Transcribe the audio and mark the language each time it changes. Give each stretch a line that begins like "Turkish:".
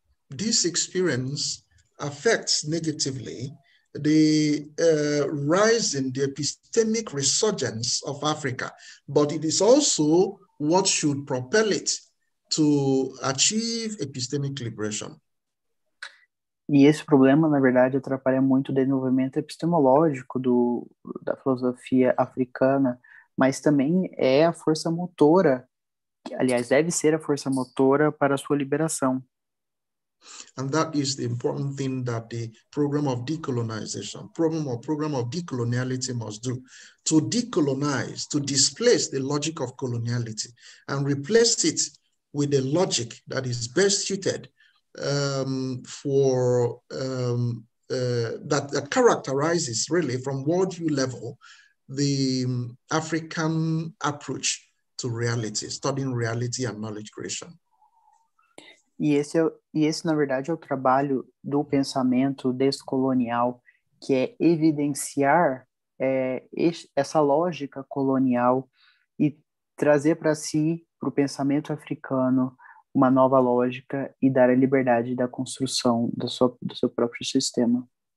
English: This experience affects negatively the rising, the epistemic resurgence of Africa, but it is also what should propel it to achieve epistemic liberation.
Portuguese: E esse problema, na verdade, atrapalha muito o desenvolvimento epistemológico da filosofia africana, mas também é a força motora, que, aliás, deve ser a força motora para a sua liberação.
English: And that is the important thing that the program of decolonization, program of decoloniality must do, to decolonize, to displace the logic of coloniality and replace it with a logic that is best suited that characterizes really from worldview level the African approach to reality, studying reality and knowledge creation.
Portuguese: E esse, na verdade, é o trabalho do pensamento descolonial, que é evidenciar essa lógica colonial e trazer para si, para o pensamento africano, uma nova lógica e dar a liberdade da construção do seu próprio sistema.